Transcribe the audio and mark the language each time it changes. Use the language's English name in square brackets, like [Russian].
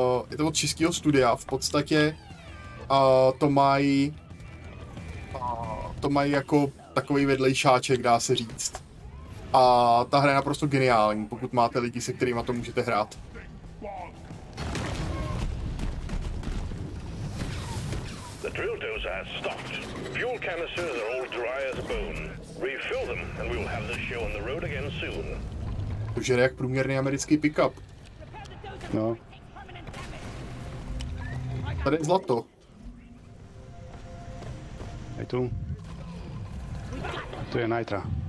[Czech] Je to od českého studia, v podstatě to mají jako takový vedlejšáček, dá se říct. A ta hra je naprosto geniální, pokud máte lidi, se kterými to můžete hrát. [English] The drill dozer has stopped. Fuel canisters are all dry as bone. Refill them and we will have the show on the road again soon. [Czech] To žere jak průměrný americký pick-up. No. Tady je zlato. [Slovak] Hej tu. Tu je nitra.